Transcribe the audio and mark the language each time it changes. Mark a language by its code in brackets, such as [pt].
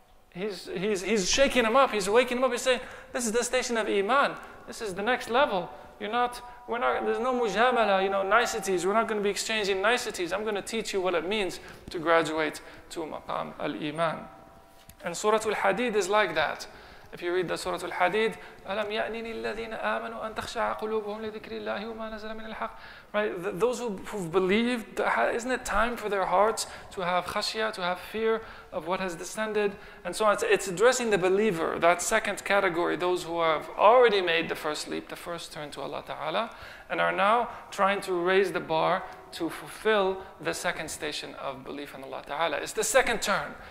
[en] He's shaking him up. He's waking him up. He's saying, "This is the station of iman. This is the next level. There's no mujamala, you know, niceties. We're not going to be exchanging niceties. I'm going to teach you what it means to graduate to maqam al-iman." And Surah Al-Hadid is like that. If you read the Surah Al-Hadid, [ar] أَلَمْ يَأْنِنِ الَّذِينَ آمَنُوا أَنْ تَخْشَعَ قُلُوبُهُمْ لِذِكْرِ اللَّهِ وَمَا نَزَلَ مِنَ الْحَقِّ. [en] Right, those who've believed, isn't it time for their hearts to have khashya, to have fear of what has descended? And so on. It's addressing the believer, that second category, those who have already made the first leap, the first turn to Allah Ta'ala, and are now trying to raise the bar to fulfill the second station of belief in Allah Ta'ala. It's the second turn.